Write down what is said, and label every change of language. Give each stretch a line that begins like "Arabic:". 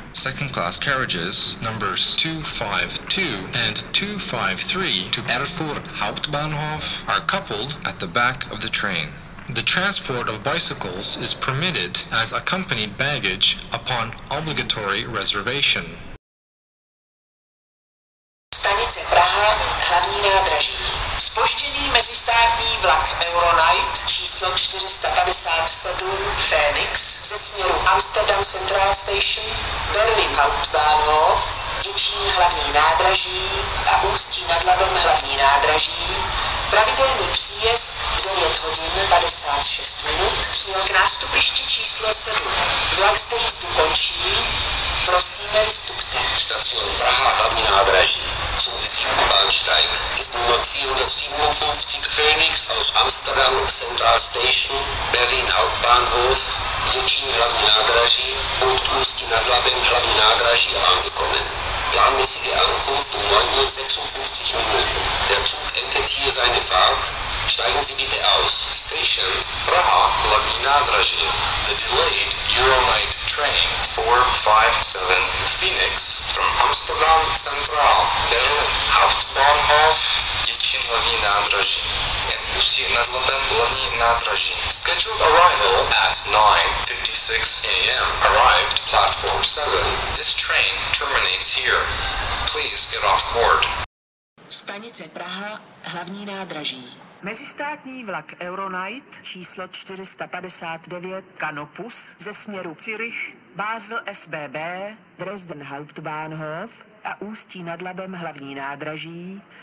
English: Second class carriages numbers 252 and 253 to Erfurt Hauptbahnhof are coupled at the back of the train. The transport of bicycles is permitted as accompanied baggage upon obligatory reservation.
Czech: Stanice Praha, hlavní nádraží. Spožděný mezistátní vlak Euronight číslo 457 Phoenix ze směru Amsterdam Central Station, Berlin Hauptbahnhof, Děčín hlavní nádraží a Ústí nad Labem hlavní nádraží. Pravidelný příjezd 9 hodin 56 minut přijel k nástupišti číslo 7. Vlak zde jízdu končí. Prosíme, vystupte.
German: Station Praha hlavní nádraží. Zum Sieben Bahnsteig ist Nummer 457 Phoenix aus Amsterdam Central Station, Berlin Hauptbahnhof, Děčín hlavní nádraží und Ústí nad Labem hlavní nádraží angekommen. Planmäßige Ankunft um 9.56 Uhr. Der Zug endet hier seine Fahrt. Steigen Sie bitte aus.
English: Station Praha hlavní nádraží. The delayed Euronight train 457 Phoenix from Amsterdam Central, Berlin Hauptbahnhof, Děčín hlavní nádraží. Ústí nad Labem hlavní nádraží. Scheduled arrival at 9:56 a.m. Arrived platform 7. This train terminates here. Please get off board.
Czech: Stanice Praha, hlavní nádraží. Mezistátní vlak Euronight číslo 459 Canopus ze směru Zürich, Basel SBB, Dresden Hauptbahnhof a Ústí nad Labem hlavní nádraží.